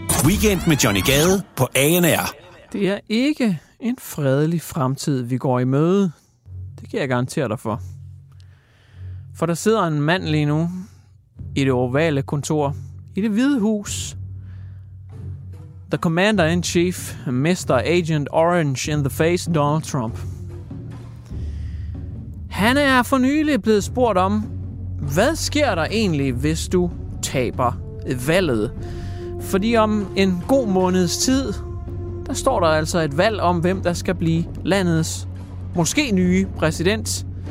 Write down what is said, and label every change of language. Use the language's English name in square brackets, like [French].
[Danish] Weekend med Johnny Gade på ANR. Det er ikke en fredelig fremtid, vi går i møde. Det kan jeg garantere dig for. For der sidder en mand lige nu i det ovale kontor i det hvide hus. [English] The Commander in Chief, Mr. Agent Orange in the face, Donald Trump. [Danish] Han er for nylig blevet spurgt om, hvad sker der egentlig, hvis du taber valget? Fordi om en god måneds tid, der står der altså et valg om, hvem der skal blive landets måske nye præsident.